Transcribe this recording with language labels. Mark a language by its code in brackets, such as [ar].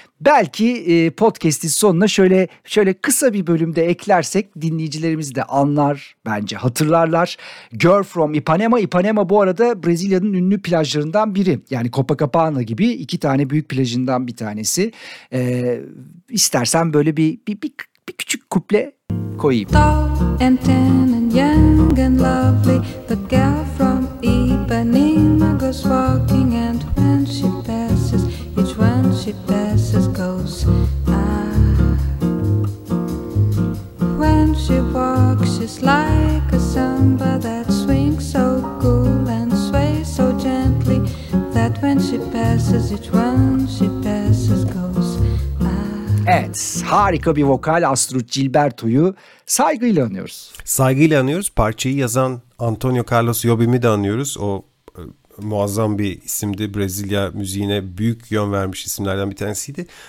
[tr] Belki podcast'in sonuna şöyle kısa bir bölümde eklersek dinleyicilerimiz de anlar, bence hatırlarlar. Girl from Ipanema. Ipanema bu arada Brezilya'nın ünlü plajlarından biri. Yani Copacabana gibi iki tane büyük plajından bir tanesi. İstersen böyle bir küçük kuple koyayım. [en] Tall and thin and young and lovely, the girl from Ipanema goes walking, and when she passes, each one she passes goes ah. When she walks, she's like a samba that swings so cool and sways so gently, that when she passes, each one she passes goes ah. [tr] Evet, harika bir vokal Astrud Gilberto'yu saygıyla anıyoruz. Saygıyla anıyoruz. Parçayı yazan Antonio Carlos Jobim'i de anıyoruz. O muazzam bir isimdi. Brezilya müziğine büyük yön vermiş isimlerden bir tanesiydi.